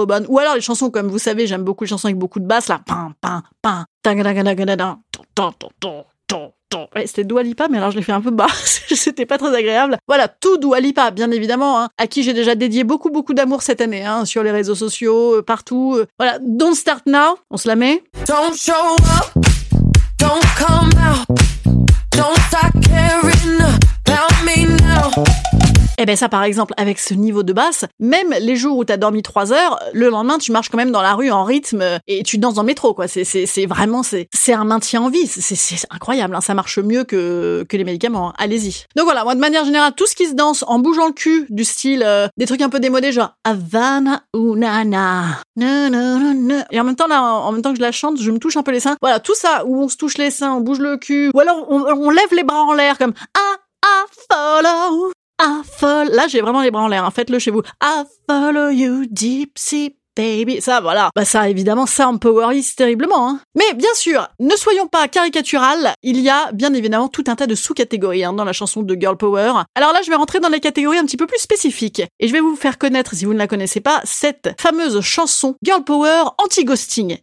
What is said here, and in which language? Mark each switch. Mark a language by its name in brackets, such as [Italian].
[French] Ou alors les chansons, comme vous savez, j'aime beaucoup les chansons avec beaucoup de basses, là. Pin, pin, pin. Tangadagadagadadan. Ton, ton, ton, ton, ton. Ouais, c'était Dua Lipa, mais alors je l'ai fait un peu bas. C'était pas très agréable. Voilà, tout Dua Lipa, bien évidemment, hein, à qui j'ai déjà dédié beaucoup, beaucoup d'amour cette année, hein, sur les réseaux sociaux, partout. Voilà, Don't Start Now, on se la met. [English] Don't show up, don't come out, don't start caring about me now. [French] Eh ben ça, par exemple, avec ce niveau de basse, même les jours où t'as dormi 3 heures, le lendemain, tu marches quand même dans la rue en rythme et tu danses dans le métro, quoi. C'est vraiment un maintien en vie. C'est incroyable, hein. Ça marche mieux que les médicaments. Hein. Allez-y. Donc voilà, moi, de manière générale, tout ce qui se danse en bougeant le cul, du style des trucs un peu démodés, genre Havana ou Nana. Et en même temps, là, en même temps que je la chante, je me touche un peu les seins. Voilà, tout ça, où on se touche les seins, on bouge le cul, ou alors on lève les bras en l'air, comme I follow. [English] I follow, [French] là j'ai vraiment les bras en l'air, hein. Faites-le chez vous. [English] I follow you, deep sea baby. [French] Ça, voilà. Bah ça, évidemment, ça empowerise terriblement. Hein. Mais bien sûr, ne soyons pas caricaturales, il y a bien évidemment tout un tas de sous-catégories, hein, dans la chanson de Girl Power. Alors là, je vais rentrer dans les catégories un petit peu plus spécifiques. Et je vais vous faire connaître, si vous ne la connaissez pas, cette fameuse chanson Girl Power anti-ghosting.